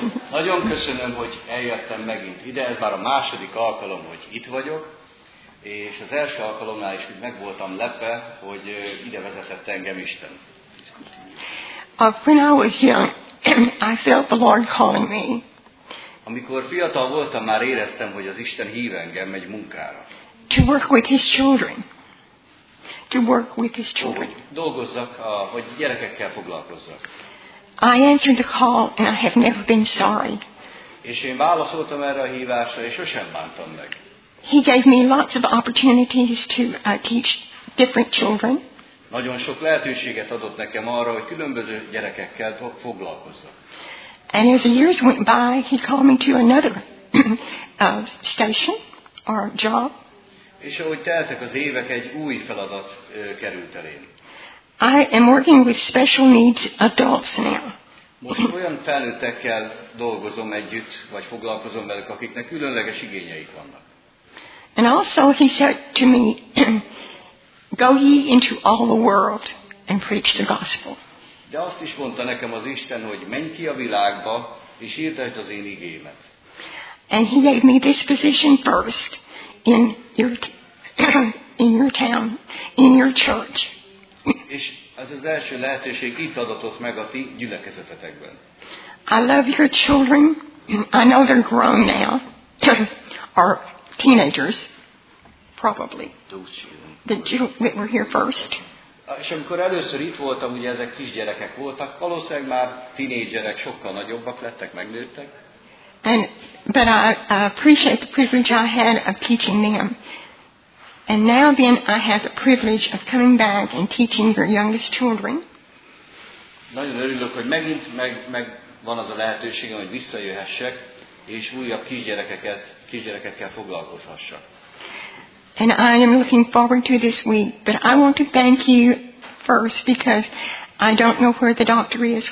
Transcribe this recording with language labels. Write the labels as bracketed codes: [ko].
[hu] Nagyon köszönöm, hogy eljöttem megint ide, ez már a második alkalom, hogy itt vagyok, és az első alkalomnál is meg voltam lepve, hogy ide vezetett engem Isten. [en] When I was young, I felt the Lord calling me. [hu] Amikor fiatal voltam, már éreztem, hogy az Isten hív engem egy munkára. [en] To work with his children. To work with his children. [hu] Dolgozzak, hogy gyerekekkel foglalkozzak. [en] I answered the call and I have never been sorry. [hu] És én válaszoltam erre a hívásra, és sosem bántam meg. [en] He gave me lots of opportunities to teach different children. [hu] Nagyon sok lehetőséget adott nekem arra, hogy különböző gyerekekkel foglalkozzak. [en] And as the years went by, he called me to another station or job. [hu] És ahogy teltek az évek, egy új feladat került elém. [en] I am working with special needs adults now. [hu] Most olyan felnőttekkel dolgozom együtt, vagy foglalkozom velük, akiknek különleges igényeik vannak. [en] And also he said to me, go ye into all the world and preach the gospel. [hu] De azt is mondta nekem az Isten, hogy menj ki a világba, és hirdesd az én igémet. [en] And he gave me this position first in your in your town, in your church. [hu] És ez az első lehetőség itt adatott meg a ti gyülekezetetekben. [en] I love your children. I know they're grown now. Or teenagers, probably. That were here first. [hu] És amikor először itt voltam, ugye ezek kisgyerekek voltak, valószínűleg már tínédzserek, sokkal nagyobbak lettek, megnőttek. [en] And, but I appreciate the privilege I had of teaching them. And now then I have the privilege of coming back and teaching your youngest children. [hu] Nagyon örülök, hogy megint meg van az a lehetőségem, hogy visszajöhessek, és újabb kisgyerekekkel foglalkozhassak. [en] And I am looking forward to this week, but I want to thank you first because I don't know where the doctor is.